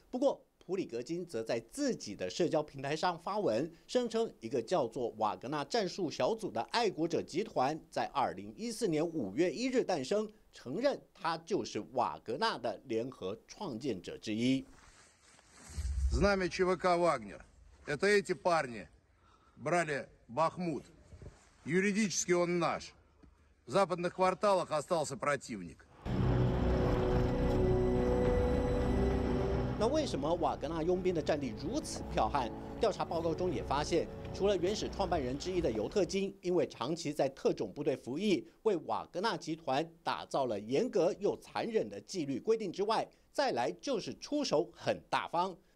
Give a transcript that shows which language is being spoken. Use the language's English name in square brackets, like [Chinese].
[Chinese] 不过普里格金则在自己的社交平台上发文，声称一个叫做瓦格纳战术小组的爱国者集团在2014年5月1日诞生，承认他就是瓦格纳的联合创建者之一。 [Russian] Знамя ЧВК Вагнер Это эти парни брали Бахмут. Юридически он наш. В западных кварталах остался противник. [Chinese] 那为什么瓦格纳佣兵的战力如此彪悍？调查报告中也发现，除了原始创办人之一的尤特金，因为长期在特种部队服役，为瓦格纳集团打造了严格又残忍的纪律规定之外，再来就是出手很大方。